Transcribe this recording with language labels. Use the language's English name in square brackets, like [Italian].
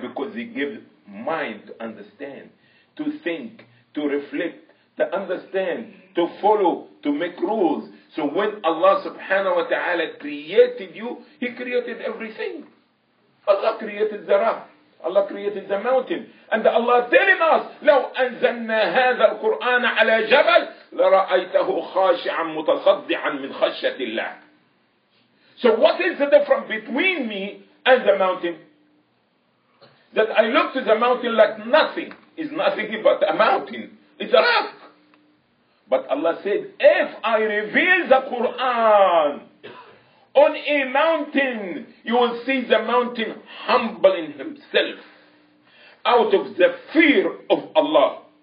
[English] Because he gave mind to understand, to think, to reflect, to understand, to follow, to make rules. So when Allah subhanahu wa ta'ala created you, He created everything. Allah created the rock, Allah created the mountain. And Allah telling us, [Arabic] لو أنزلنا هذا القرآن على جبل لرأيته خاشعا متصدعا من خشية الله. [English] So what is the difference between me and the mountain? That I look to the mountain like nothing. Is nothing but a mountain. It's a rock. But Allah said, if I reveal the Quran on a mountain, you will see the mountain humbling himself out of the fear of Allah.